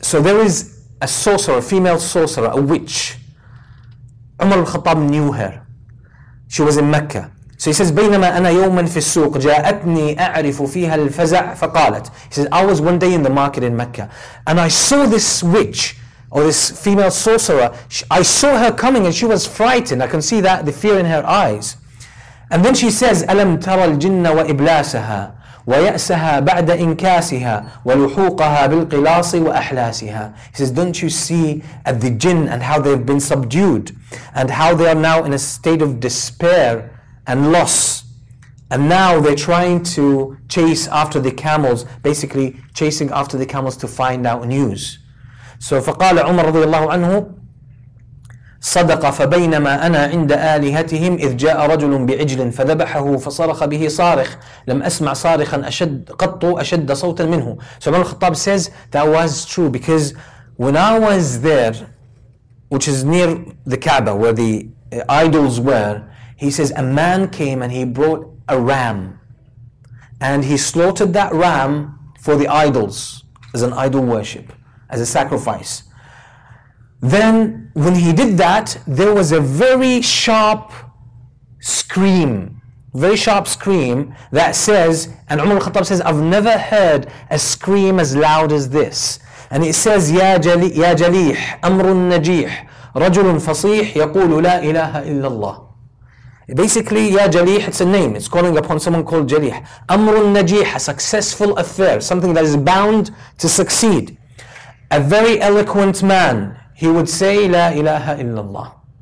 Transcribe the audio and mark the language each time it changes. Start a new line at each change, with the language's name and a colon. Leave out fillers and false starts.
English: So there is a sorcerer, a female sorcerer, a witch. Umar al-Khattab knew her. She was in Mecca. So he says,
Arabic: بينما أنا يوما في السوق جاءتني أعرف فيها الفزع فقالت.
English: He says, I was one day in the market in Mecca, and I saw this witch, or this female sorcerer. I saw her coming, and she was frightened. I can see that the fear in her eyes. And then she says,
Arabic: ألم ترى الجن وإبلاسها ويأسها بعد إنكاسها ولحوقها بالقلاص وأحلاسها.
English: He says, don't you see at the jinn and how they've been subdued and how they are now in a state of despair and loss, and now they're trying to chase after the camels, basically chasing after the camels to find out news. So
Arabic: فقال عمر رضي الله عنه صدق فبينما أنا عند آلهتهم إذ جاء رجل بعجل فذبحه فصرخ به صارخ لم أسمع صارخا أشد قط أشد صوتا منه.
English: So Umar al-Khattab says that was true, because when I was there, which is near the Kaaba where the idols were, he says a man came and he brought a ram, and he slaughtered that ram for the idols as an idol worship, as a sacrifice. Then when he did that, there was a very sharp scream that says, and Umar al-Khattab says, I've never heard a scream as loud as this. And it says,
Arabic: يا جليح أمر النجيح رجل فصيح يقول لا إله إلا الله.
English: Basically,
Arabic: يا جليح,
English: it's a name, it's calling upon someone called جليح.
Arabic: أمر النجيح,
English: a successful affair, something that is bound to succeed. A very eloquent man, he would say,
Arabic: La ilaha illallah.